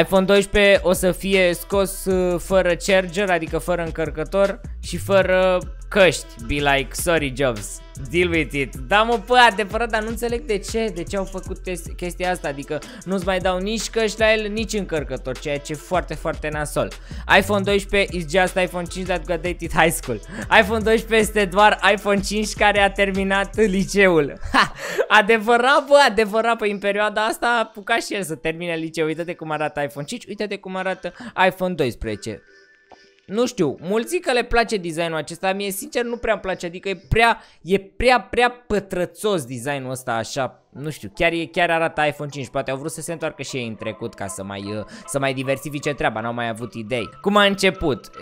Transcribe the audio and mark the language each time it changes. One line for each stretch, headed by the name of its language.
Romanian: iPhone 12 o să fie scos fără charger, adică fără încărcător și fără căști.
English: Be like, sorry Jobs. Deal with it.
Romanian: Da, mă, pă, adevărat, dar nu înțeleg de ce. De ce au făcut chestia asta? Adică nu-ți mai dau nici căști la el, nici încărcător, ceea ce e foarte, foarte nasol.
English: iPhone 12 is just iPhone 5 that graduated high school.
Romanian: iPhone 12 este doar iPhone 5 care a terminat liceul. Ha, adevărat, bă, adevărat. Păi în perioada asta a apucat și el să termine liceul. Uite-te cum arată iPhone 5, uite-te cum arată iPhone 12. Nu știu, mulți zic că le place designul acesta, mie sincer nu prea îmi place, adică e prea pătrățos designul ăsta așa, nu știu, chiar arată iPhone 5, poate au vrut să se întoarcă și ei în trecut ca să mai diversifice treaba, n-au mai avut idei. Cum a început?